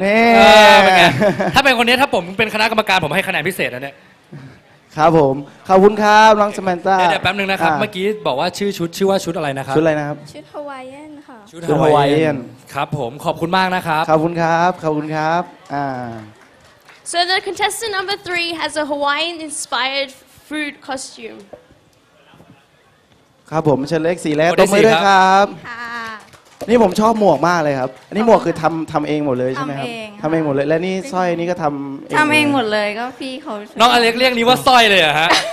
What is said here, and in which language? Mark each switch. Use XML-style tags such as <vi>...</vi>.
<th>นี่ เป็นไงถ้าเป็นคนนี้ถ้าผมเป็นคณะกรรมการผมให้คะแนนพิเศษนะเนี่ย ครับผมขอบคุณครับน้องซาแมนธา เดี๋ยวแป๊บนึงนะครับเมื่อกี้บอกว่าชื่อชุดชื่อว่าชุดอะไรนะครับ ชุดอะไรนะครับ ชุดฮาวายเอียนค่ะ ชุดฮาวายเอียนครับผมขอบคุณมากนะครับ ขอบคุณครับขอบคุณครับ</th> <en>So the contestant number 3 has a Hawaiian inspired food costume</en> <th>ครับผมเชิญเลข4แล้วต้องไม่ด้วยครับ ค่ะ นี่ผมชอบหมวกมากเลยครับอันนี้หมวกคือทำเองหมดเลยใช่ไหมครับ ทำเองหมดเลยและนี่สร้อยนี่ก็ทำเอง หมดเลยก็พี่เขา น้องอเล็กเรียกนี้ว่าสร้อยเลยอ่ะฮะ</th>